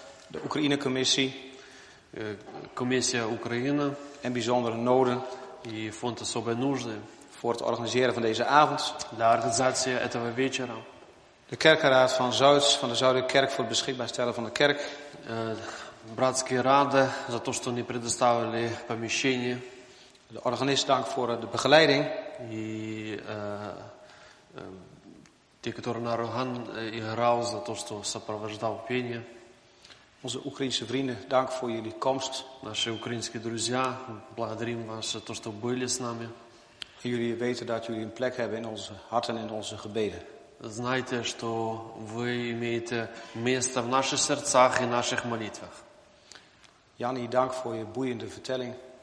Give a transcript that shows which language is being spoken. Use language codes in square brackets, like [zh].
[nl] De Oekraïne-commissie. Commissie Oekraïne. En bijzondere noden. Die vond het zo bij nodig. Voor het organiseren van deze avond. De organisatie [ru] этого вечера. [nl] De kerkenraad van Zuid, van de Zuidelijke Kerk, voor het beschikbaar stellen van de kerk. [ru] Братские рады за то, что они предоставили помещение. [nl] De organist dank voor de begeleiding. [ru] И те, которые на орган играл, за то, что сопровождал пение. [nl] Onze Oekraïense vrienden, dank voor jullie komst. [ru] Наши украинские друзья, благодарим вас за то, что были с нами. [nl] Jullie weten dat jullie een plek hebben in onze harten en onze gebeden. [ru] Знайте, что вы имеете место в наших сердцах и наших молитвах. [nl] Jani, dank voor je boeiende vertelling.